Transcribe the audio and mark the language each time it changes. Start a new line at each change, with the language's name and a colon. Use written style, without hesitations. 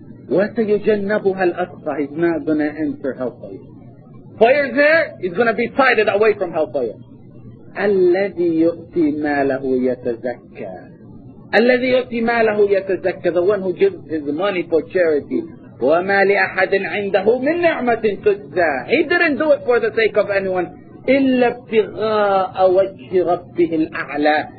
Arabic: وسيجنبها الأتقى.
English: He's not gonna enter hellfire. Fire there is gonna be sighted away from hellfire.
Arabic: الذي يؤتي ماله يتزكى. الذي يؤتي ماله يتزكى.
English: The one who gives his money for charity.
Arabic: وما لأحد عنده من نعمة تجزى.
English: He didn't do it for the sake of anyone.
Arabic: إلا ابتغاء وجه ربه الأعلى.